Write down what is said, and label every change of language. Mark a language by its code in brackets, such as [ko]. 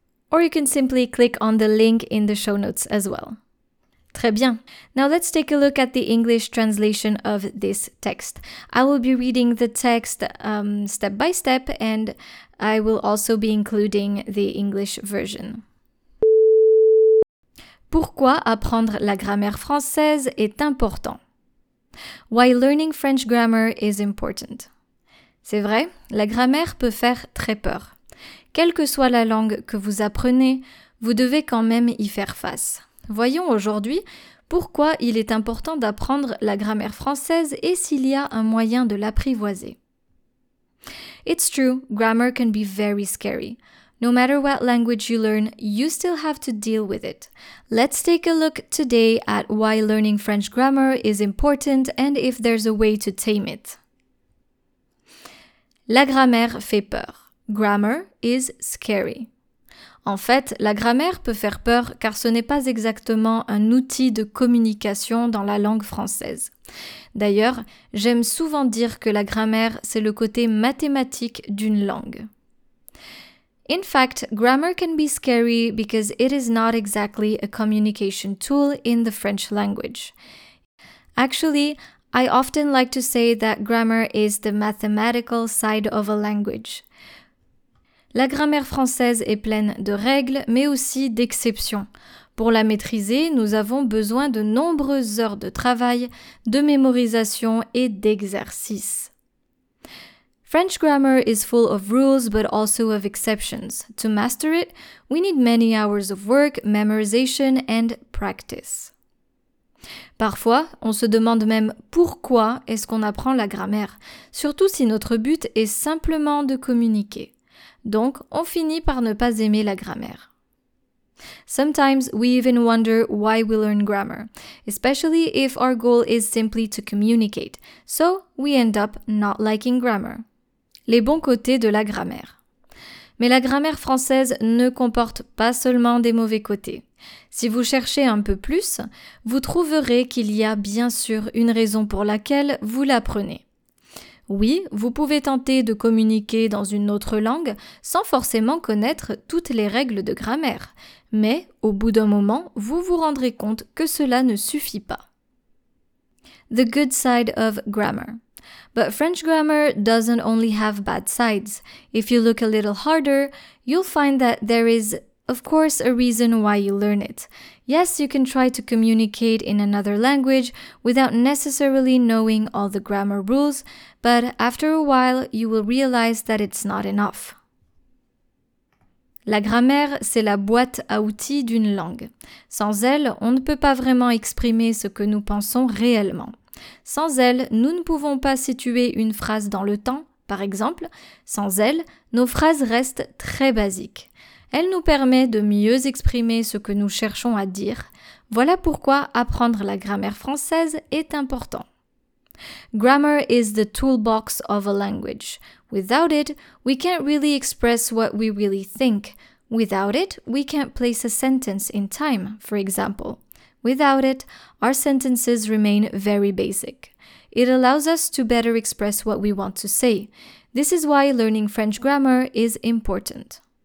[en] Or you can simply click on the link in the show notes as well. [fr] Très bien. [en] Now let's take a look at the English translation of this text. I will be reading the text step by step and I will also be including the English version. [fr] Pourquoi apprendre la grammaire française est important? [en] Why learning French grammar is important. [fr] C'est vrai, la grammaire peut faire très peur. Quelle que soit la langue que vous apprenez, vous devez quand même y faire face. Voyons aujourd'hui pourquoi il est important d'apprendre la grammaire française et s'il y a un moyen de l'apprivoiser. [en] It's true, grammar can be very scary. No matter what language you learn, you still have to deal with it. Let's take a look today at why learning French grammar is important and if there's a way to tame it. [fr] La grammaire fait peur. [en] Grammar is scary. [fr] En fait, la grammaire peut faire peur car ce n'est pas exactement un outil de communication dans la langue française. D'ailleurs, j'aime souvent dire que la grammaire, c'est le côté mathématique d'une langue. [en] In fact, grammar can be scary because it is not exactly a communication tool in the French language. Actually, I often like to say that grammar is the mathematical side of a language. [fr] La grammaire française est pleine de règles, mais aussi d'exceptions. Pour la maîtriser, nous avons besoin de nombreuses heures de travail, de mémorisation et d'exercice. [en] French grammar is full of rules but also of exceptions. To master it, we need many hours of work, memorization, and practice. [fr] Parfois, on se demande même pourquoi est-ce qu'on apprend la grammaire, surtout si notre but est simplement de communiquer. Donc, on finit par ne pas aimer la grammaire. [en] Sometimes we even wonder why we learn grammar, especially if our goal is simply to communicate. So, we end up not liking grammar. [fr] Les bons côtés de la grammaire. Mais la grammaire française ne comporte pas seulement des mauvais côtés. Si vous cherchez un peu plus, vous trouverez qu'il y a bien sûr une raison pour laquelle vous l'apprenez. Oui, vous pouvez tenter de communiquer dans une autre langue sans forcément connaître toutes les règles de grammaire, mais au bout d'un moment, vous vous rendrez compte que cela ne suffit pas. [en] The good side of grammar. But French grammar doesn't only have bad sides. If you look a little harder, you'll find that there is, of course, a reason why you learn it. Yes, you can try to communicate in another language without necessarily knowing all the grammar rules, but after a while, you will realize that it's not enough. [fr] La grammaire, c'est la boîte à outils d'une langue. Sans elle, on ne peut pas vraiment exprimer ce que nous pensons réellement. Sans elle, nous ne pouvons pas situer une phrase dans le temps, par exemple. Sans elle, nos phrases restent très basiques. Elle nous permet de mieux exprimer ce que nous cherchons à dire. Voilà pourquoi apprendre la grammaire française est important. [en] Grammar is the toolbox of a language. Without it, we can't really express what we really think. Without it, we can't place a sentence in time, for example. Without it, our sentences remain very basic. It allows us to better express what we want to say. This is why learning French grammar is important.